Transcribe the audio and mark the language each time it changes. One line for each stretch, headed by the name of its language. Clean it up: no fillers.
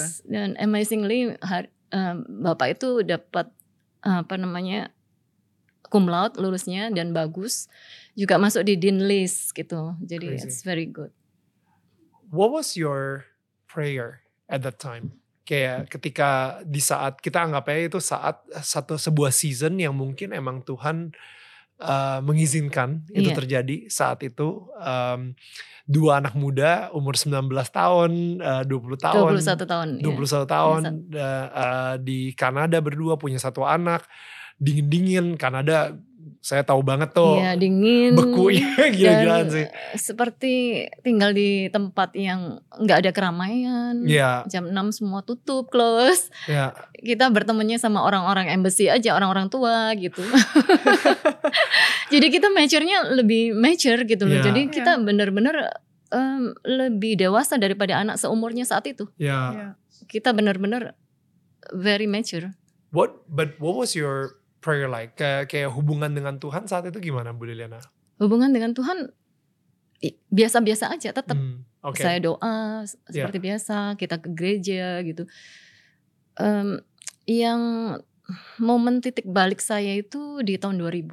Indonesian: Yes, dan amazingly, bapak itu dapat apa namanya cum laude lulusnya dan bagus, juga masuk di dean list gitu. Jadi crazy.
English: It's very good. What was your prayer at that time?
Indonesian: Kayak ketika di saat kita anggap aja itu saat satu sebuah season yang mungkin emang Tuhan mengizinkan itu terjadi saat itu. Dua anak muda umur 19 tahun, 20 tahun. 21 tahun. 21 tahun. Di Kanada berdua punya satu anak. Dingin-dingin Kanada saya tahu banget tuh. Iya, dingin. Bekunya gila-gilaan sih. Seperti tinggal di tempat yang gak ada keramaian. Iya. Jam 6 semua tutup, close. Iya. Kita bertemunya sama orang-orang embassy aja, orang-orang tua gitu. Jadi kita mature-nya lebih mature gitu loh. Ya. Jadi kita benar-benar lebih dewasa daripada anak seumurnya saat itu. Iya. Ya. Kita benar-benar
English: very mature. What was your prayer like?
Indonesian: Kayak hubungan dengan Tuhan saat itu gimana, Bu Liliana? Hubungan dengan Tuhan biasa-biasa aja tetap. Okay. Saya doa seperti biasa, kita ke gereja gitu. Yang momen titik balik saya itu di tahun 2000.